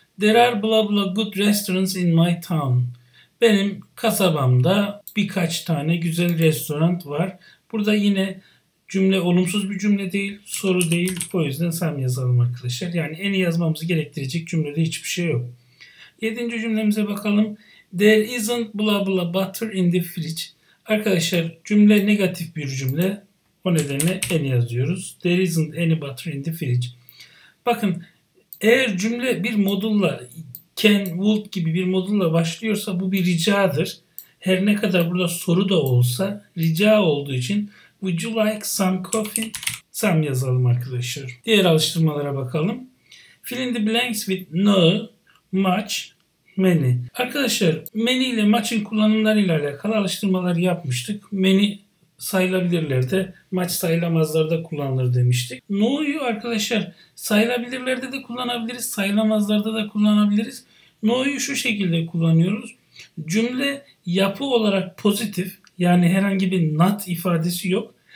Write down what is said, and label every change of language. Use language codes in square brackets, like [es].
[en] There are blah blah good restaurants in my town. [tr] Benim kasabamda birkaç tane güzel restoran var. Burada yine cümle olumsuz bir cümle değil, soru değil. O yüzden some yazalım arkadaşlar. Yani any yazmamızı gerektirecek cümlede hiçbir şey yok. Yedinci cümlemize bakalım. [en] There isn't blah blah butter in the fridge. [tr] Arkadaşlar cümle negatif bir cümle. O nedenle any yazıyoruz. [en] There isn't any butter in the fridge. [tr] Bakın eğer cümle bir modulla, can, would gibi bir modulla başlıyorsa bu bir ricadır. Her ne kadar burada soru da olsa rica olduğu için [en] would you like some coffee? [tr] Some yazalım arkadaşlar. Diğer alıştırmalara bakalım. [en] Fill in the blanks with no, much, many. [tr] Arkadaşlar many ile much'ın kullanımlarıyla alakalı alıştırmalar yapmıştık. Many sayılabilirler de, maç sayılamazlar da kullanılır demiştik. No'yu arkadaşlar sayılabilirlerde de kullanabiliriz, sayılamazlarda da kullanabiliriz. No'yu şu şekilde kullanıyoruz. Cümle yapı olarak pozitif, yani herhangi bir not ifadesi yok.